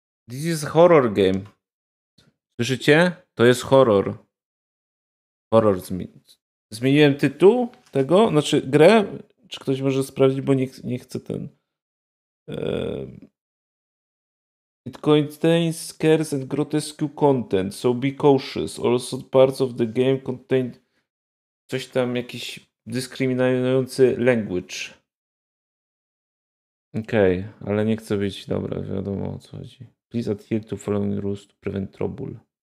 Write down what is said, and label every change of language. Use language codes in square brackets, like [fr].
[en] This is horror game. [pl] Słyszycie? To jest horror. Horror zmieniłem tytuł tego, znaczy grę. Czy ktoś może sprawdzić, bo nie chce ten. [en] It contains scares and grotesque content, so be cautious. Also parts of the game contain [pl] coś tam, jakiś dyskryminujący [en] language. [pl] Okej, okay, ale nie chcę być, dobra, wiadomo o co chodzi. [en] Please adhere to following rules to prevent trouble.